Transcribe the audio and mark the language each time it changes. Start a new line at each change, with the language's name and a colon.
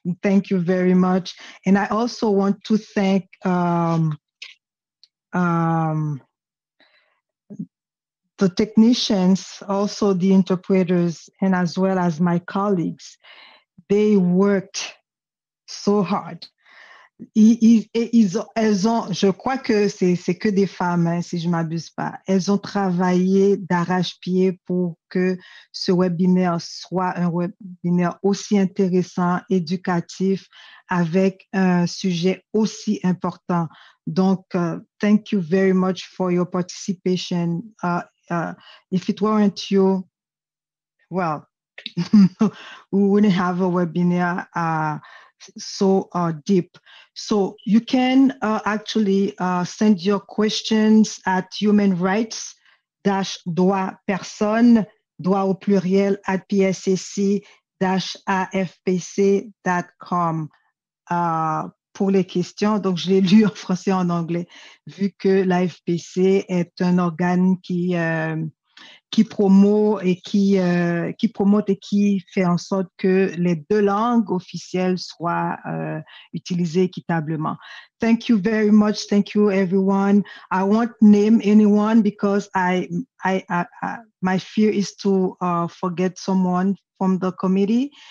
English: Thank you very much. And I also want to thank the technicians, also the interpreters, and as well as my colleagues. They worked so hard.
French: Elles ont, je crois que c'est que des femmes, hein, si je ne m'abuse pas. Elles ont travaillé d'arrache-pied pour que ce webinaire soit un webinaire aussi intéressant, éducatif, avec un sujet aussi important. Donc,
English: thank you very much for your participation. If it weren't you, well, we wouldn't have a webinar so deep. So you can send your questions at humanrights-droit-personne@psac-afpc.com
French: pour les questions. Donc je l'ai lu en français et en anglais, vu que l'AFPC est un organe qui promote et qui fait en sorte que les deux langues officielles soient utilisées équitablement.
English: Thank you very much. Thank you, everyone. I won't name anyone because my fear is to forget someone from the committee.